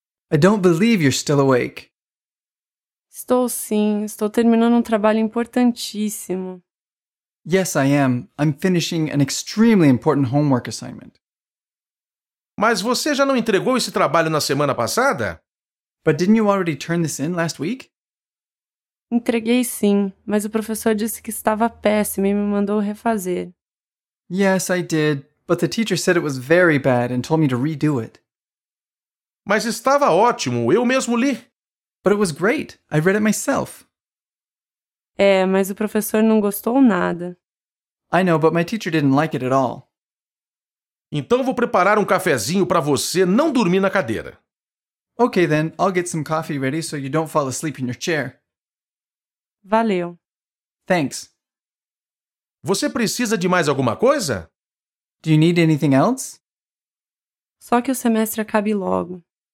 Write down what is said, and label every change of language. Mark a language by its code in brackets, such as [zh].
[en] I don't believe you're still awake. [pt] Estou sim, estou terminando um trabalho importantíssimo. [en] Yes, I am. I'm finishing an extremely important homework assignment. [pt] Mas você já não entregou esse trabalho na semana passada? [en] But didn't you already turn this in last week? [pt] Entreguei sim, mas o professor disse que estava péssimo e me mandou refazer. [en] Yes, I did, but the teacher said it was very bad and told me to redo it. [pt] Mas estava ótimo, eu mesmo li. [en] But it was great, I read it myself. [pt] É, mas o professor não gostou nada. [en] I know, but my teacher didn't like it at all. [pt] Então vou preparar um cafezinho para você não dormir na cadeira. [en] Okay then, I'll get some coffee ready so you don't fall asleep in your chair. [pt] Valeu. [en] Thanks. [pt] Você precisa de mais alguma coisa? [en] Do you need anything else? [pt] Só que o semestre acabe logo.